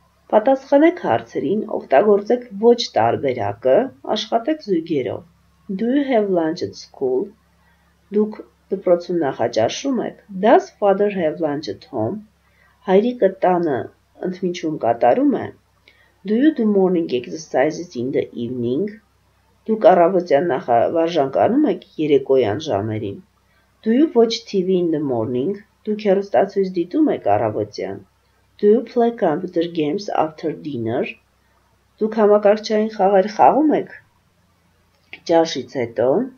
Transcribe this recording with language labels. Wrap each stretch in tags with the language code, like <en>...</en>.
<hy>Պատասխանեք հարցերին, օգտագործեք ոչ տարբերակը, աշխատեք զույգերով.</hy> <en>Do you have lunch at school?</en> <hy>Դուք դպրոցում նախաճաշում եք.</hy> <en>Does father have lunch at home?</en> <hy>Հայրիկը տանը ընդմիջում կատարում է.</hy> <en>Do you do morning exercises in the evening?</en> <hy>Դուք առավոտյան նախավարժանք անում եք երեկոյան ժամերին.</hy> <en>Do you watch TV in the morning?</en> <hy>Դուք հեռուստացույց դիտում եք առավոտյան.</hy> <en>Do you play computer games after dinner?</en> <hy>Դուք համակարգչային խաղեր խաղում եք ճաշից հետո.</hy>